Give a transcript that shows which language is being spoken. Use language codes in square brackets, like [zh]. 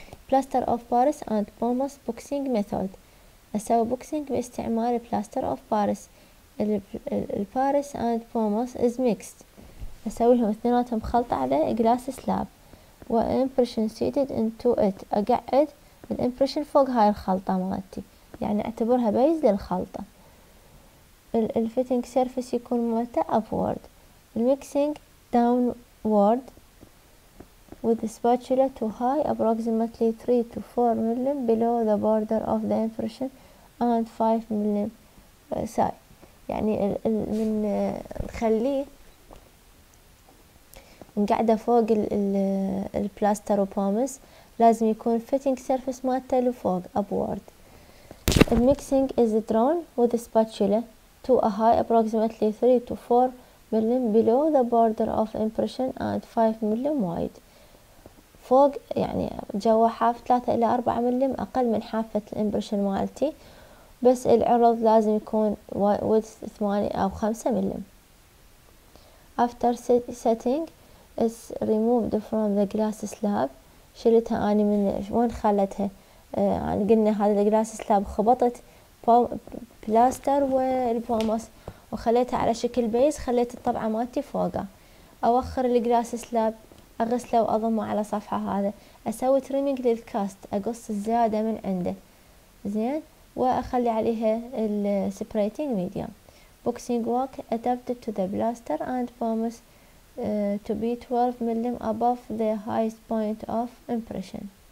[en] plaster of Paris and pumice boxing method, [ar] اسوي بوكسينج باستعمال بلاستر اوف باريس. [en] الباريس and pumice is mixed, [ar] اسوي لهم اثنيناتهم خلطة على جلاس سلاب [en] وامبريشن seated into it, [ar] اقعد الامبريشن فوق هاي الخلطة مالتي، يعني اعتبرها بيز للخلطة. [en] الفيتنج سيرفيس يكون مالته upward، الميكسينج downward with spatula to high approximately 3 to 4 ملم below the border of the impression and 5 ملم side. [ar] يعني من نخليه نقعده فوق البلاستر وبومس لازم يكون fitting surface مالته لفوق upward. [en] The mixing is drawn with a spatula to a high approximately 3 to 4 mm below the border of impression and 5 mm wide. [ar] فوق يعني جوا حاف 3 إلى 4 mm، أقل من حافة الإمبريشن مالتي، بس العرض لازم يكون width 8 أو 5 mm. [en] After setting is removed from the glass slab، [ar] شلتها اني من وين خلتها؟ يعني قلنا هذا الجلاس سلاب خبطت بلاستر والبوماس وخليتها على شكل بيز، خليت الطبعة مالتي فوقه. اوخر الجلاس سلاب، اغسله واضمه على صفحة، هذا اسوي تريمينج للكاست، اقص الزيادة من عنده زين، واخلي عليها السبريتينج ميديوم. [en] Boxing wax adapted to the plaster and pumice to be 12 mm above the highest point of impression.